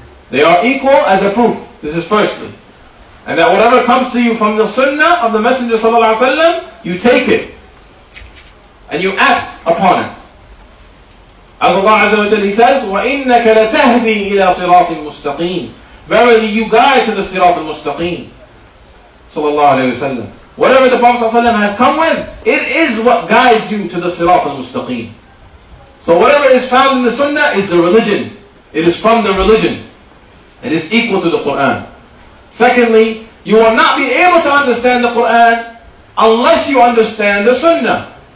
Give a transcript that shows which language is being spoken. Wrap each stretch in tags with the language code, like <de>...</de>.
<en>They are equal as a proof. This is firstly. And that whatever comes to you from the Sunnah of the Messenger Sallallahu Alaihi Wasallam, you take it. And you act upon it. As Allah Azza wa Jalla says,</en> <ar>وَإِنَّكَ لَتَهْدِي إِلَى صِرَاطٍ مُسْتَقِيمٍ.</ar> <en>Verily you guide to the صِرَاطِ الْمُسْتَقِيمِ صلى الله عليه وسلم. Whatever the Prophet Sallallahu Alaihi Wasallam has come with, it is what guides you to the صِرَاطِ الْمُسْتَقِيمِ. So whatever is found in the Sunnah is the religion. It is from the religion. It is equal to the Qur'an. Secondly, you will not be able to understand the Qur'an unless you understand the Sunnah.</en>